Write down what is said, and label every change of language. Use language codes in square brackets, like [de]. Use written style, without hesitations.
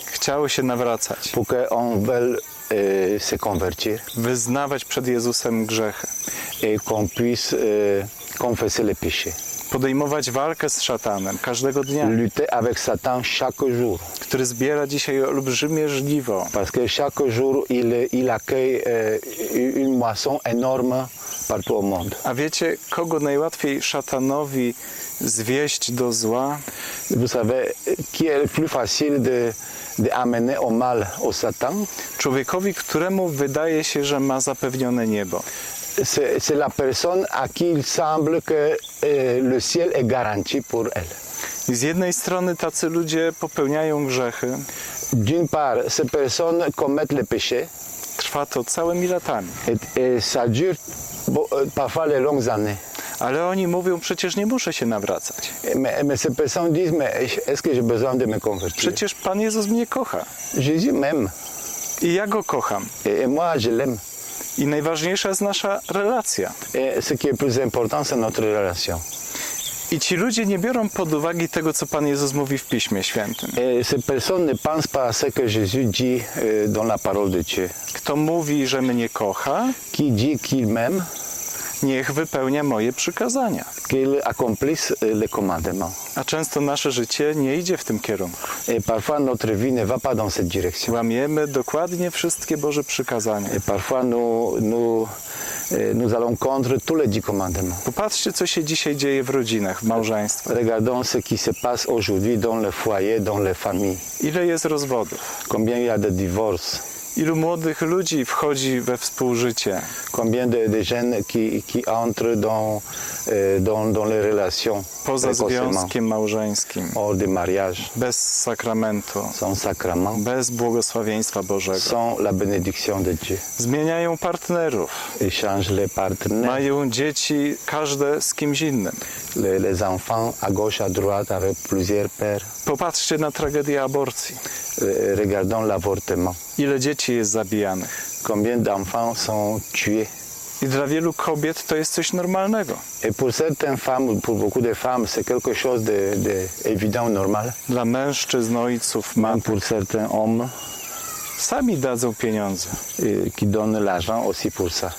[pl] Chciało się nawracać. [fr] Pour que on veuille se convertir. [pl] Wyznawać przed Jezusem grzechy. [fr] Et qu'on puisse confesser les péchés. [pl] Podejmować walkę z szatanem każdego dnia. [fr] Lutter avec Satan chaque jour. [pl] Który zbiera dzisiaj olbrzymie żniwo. [fr] Parce que chaque jour il accueille une moisson énorme partout au monde. [pl] A wiecie, kogo najłatwiej szatanowi zwieść do zła? [fr] Vous savez, qui est le plus facile de amener au mal au Satan? [pl] Człowiekowi, któremu wydaje się, że ma zapewnione niebo. [fr] C'est la personne à qui il semble que le ciel est garanti pour elle. [pl] Z jednej strony tacy ludzie popełniają grzechy. [fr] D'une part, ces personnes commettent les péchés. [pl] Trwa to całymi latami. [fr] Et ça dure parfois les longues années. [pl] Ale oni mówią: przecież nie muszę się nawracać. [fr] Mais ces personnes disent: mais est-ce que j'ai besoin de me convertir? [pl] Przecież Pan Jezus mnie kocha. [fr] Jésus m'aime. [pl] I ja go kocham. [fr] Et moi je l'aime. [pl] I najważniejsza jest nasza relacja. [fr] Et ce qui est plus important, c'est notre relation. [pl] I ci ludzie nie biorą pod uwagę tego, co Pan Jezus mówi w Piśmie Świętym. [fr] Ces personnes ne pensent pas à ce que Jésus dit dans la parole de Dieu. [pl] Kto mówi, że mnie kocha, [fr] qui dit qu'il m'aime, [pl] niech wypełnia moje przykazania. [fr] Qu'il accomplisse les commandements. [pl] A często nasze życie nie idzie w tym kierunku. [fr] Et parfois notre vie ne va pas dans cette direction. [pl] Łamiemy dokładnie wszystkie Boże przykazania. [fr] Et parfois nous allons contre tous les dix commandements. [pl] Popatrzcie, co się dzisiaj dzieje w rodzinach, w małżeństwach. [fr] Regardons ce qui se passe aujourd'hui dans les foyers, dans les familles. [pl] Ile jest rozwodów? [fr] Combien il y a de divorces? [pl] Ilu młodych ludzi wchodzi we współżycie? [fr] Combien de jeunes qui entrent dans les relations? [pl] Poza związkiem małżeńskim. [fr] Hors de mariage. [pl] Bez sakramentu. [fr] Sans sacrement. [pl] Bez błogosławieństwa Bożego. [fr] Sans la bénédiction de Dieu. [pl] Zmieniają partnerów. [fr] Ils changent les partenaires. [pl] Mają dzieci, każde z kimś innym. [fr] Les enfants à gauche, à droite, avec plusieurs pères. [pl] Popatrzcie na tragedię aborcji. [fr] Regardons l'avortement. [pl] Ile dzieci jest zabijanych? [fr] Combien d'enfants sont tués? [pl] I dla wielu kobiet to jest coś normalnego. [fr] Et pour certaines femmes, pour beaucoup de femmes, c'est quelque chose de évident, normal. [pl] Dla mężczyzn, ojców, matek. [fr] Pour certains hommes. [pl] Sami dadzą pieniądze. [fr] Qui donne l'argent aussi pour ça.